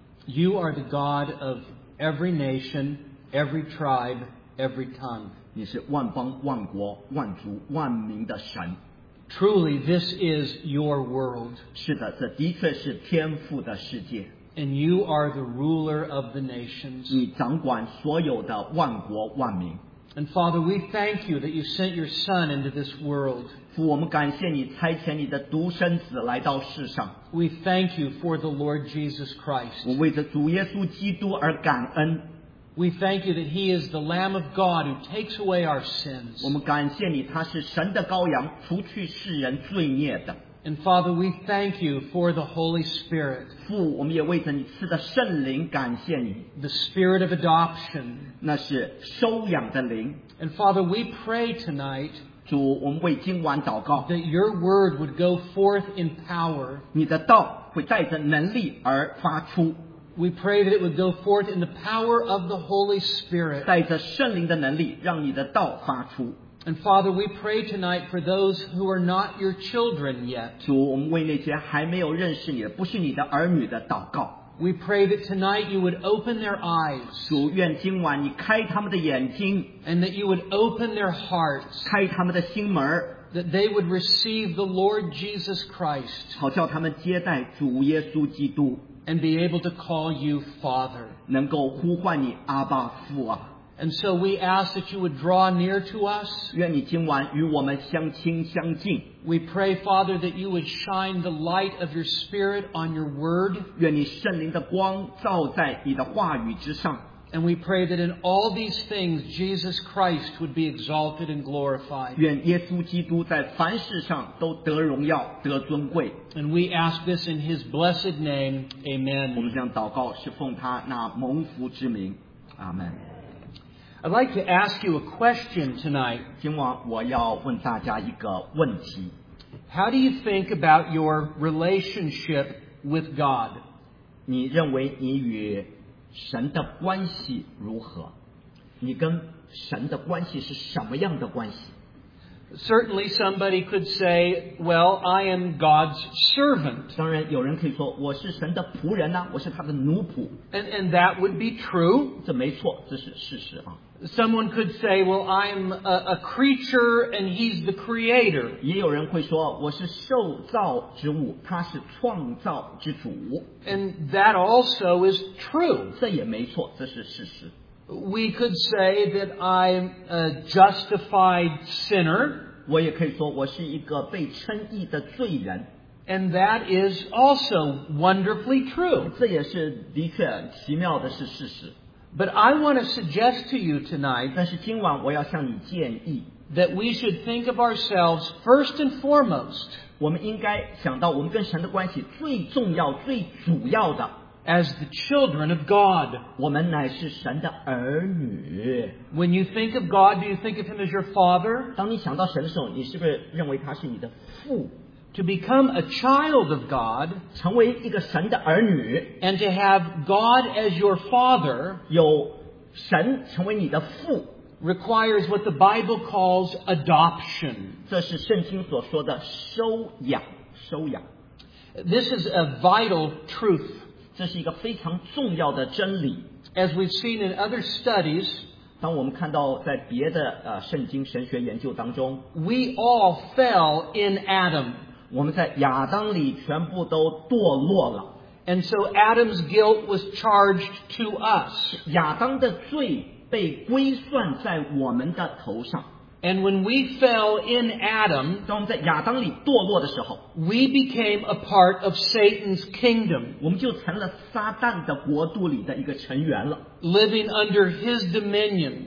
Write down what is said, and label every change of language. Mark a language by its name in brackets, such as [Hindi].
[English] You are the God of every nation, every tribe, every tongue. [Chinese] 你是万邦万国万族万民的神。 [English] Truly, this is your world. [Chinese] 是的，这的确是天父的世界。 [English] And you are the ruler of the nations. [Chinese] 你掌管所有的万国万民。 [English] And Father, we thank you that you sent your Son into this world. [Chinese] 父，我们感谢你差遣你的独生子来到世上。 [English] We thank you for the Lord Jesus Christ. [Chinese] 我为着主耶稣基督而感恩。 [English] We thank you that He is the Lamb of God who takes away our sins. [Chinese] 我们感谢你，他是神的羔羊，除去世人罪孽的。 [English] And Father, we thank you for the Holy Spirit. [Chinese] 父，我们也为着你赐的圣灵感谢你。 [English] The Spirit of adoption. [Chinese] 那是收养的灵。 [English] And Father, we pray tonight. [Chinese] 主，我们为今晚祷告。 [English] That your word would go forth in power. [Chinese] 你的道会带着能力而发出。 [English] We pray that it would go forth in the power of the Holy Spirit. [Chinese] 带着圣灵的能力，让你的道发出。 [English] And Father, we pray tonight for those who are not your children yet. [Chinese] 主，我们为那些还没有认识你的，不是你的儿女的祷告。 [English] We pray that tonight you would open their eyes. [Chinese] 主，愿今晚你开他们的眼睛。 [English] And that you would open their hearts. [Chinese] 开他们的心门。 [English] That they would receive the Lord Jesus Christ. [Chinese] 好叫他们接待主耶稣基督。 [English] And be able to call you Father. [Chinese] 能够呼唤你阿爸父啊。 [English] And so we ask that you would draw near to us. [Chinese] 愿你今晚与我们相亲相近。 [English] We pray, Father, that you would shine the light of your Spirit on your word. [Chinese] 愿你圣灵的光照在你的话语之上。 [English] And we pray that in all these things, Jesus Christ would be exalted and glorified. [Chinese] 愿耶稣基督在凡事上都得荣耀，得尊贵。 [English] And we ask this in his blessed name. Amen. [Chinese] 我们这样祷告是奉他那蒙福之名。 [English] Amen. I'd like to ask you a question tonight. [Chinese] 今晚我要问大家一个问题。 [English] How do you think about your relationship with God? [Chinese] 你认为你与神的关系如何？你跟神的关系是什么样的关系？ [English] Certainly somebody could say, well, I am God's servant. [Chinese] 当然有人可以说我是神的仆人啊，我是他的奴仆。 [English] And that would be true. [Chinese] 这没错，这是事实啊。 [English] Someone could say, well, I'm a creature and he's the creator. [Chinese] 也有人会说我是受造之物，他是创造之主。 [English] And that also is true. [Chinese] 这也没错，这是事实。 [English] We could say that I'm a justified sinner. [Chinese] 我也可以说我是一个被称义的罪人。 [English] And that is also wonderfully true. [Chinese] 这也是的确奇妙的是事实。 [English] But I want to suggest to you tonight, [Chinese] 但是今晚我要向你建议, [English] that we should think of ourselves first and foremost, [Chinese] 我们应该想到我们跟神的关系最重要、最主要的, [English] as the children of God. [Chinese] 我们乃是神的儿女。 [English] When you think of God, do you think of him as your father? [Chinese] 当你想到神的时候,你是不是认为他是你的父? [English] To become a child of God, [Chinese] 成为一个神的儿女, [English] and to have God as your father, [Chinese] 有神成为你的父, [English] requires what the Bible calls adoption. [Chinese] 这是圣经所说的收养,收养。 [English] This is a vital truth. [Chinese] 这是一个非常重要的真理。 [English] As we've seen in other studies, [Chinese] 当我们看到在别的圣经神学研究当中, [English] we all fell in Adam. [Chinese] 我们在亚当里全部都堕落了。 [English] And so Adam's guilt was charged to us. [Chinese] 亚当的罪被归算在我们的头上。 [English] And when we fell in Adam, [Chinese] 当我们在亚当里堕落的时候, [English] we became a part of Satan's kingdom. [Chinese] 我们就成了撒旦的国度里的一个成员了。 [English] Living under his dominion.